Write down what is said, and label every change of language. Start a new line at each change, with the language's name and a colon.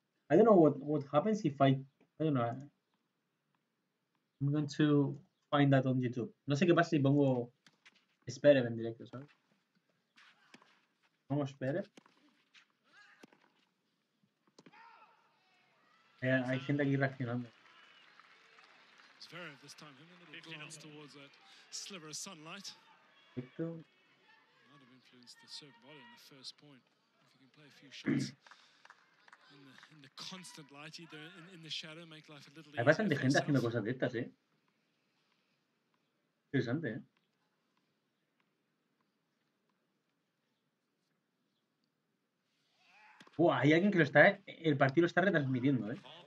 English: I don't know what happens if I... I don't know. I'm going to find that on YouTube.
Spanish: No sé qué pasa si pongo Zverev en directo, ¿sabes? Pongo Zverev. Hay gente aquí reaccionando.
English: Zverev, this time, a little glance towards that sliver of sunlight. Might have influenced the serve body in the first point. If you can play a few shots in the constant light, either in the shadow, make life a little easier.
Spanish: Hay bastante gente haciendo cosas de estas, ¿eh? Interesante, ¿eh? Wow, hay alguien que lo está, el partido está retransmitiendo, ¿eh?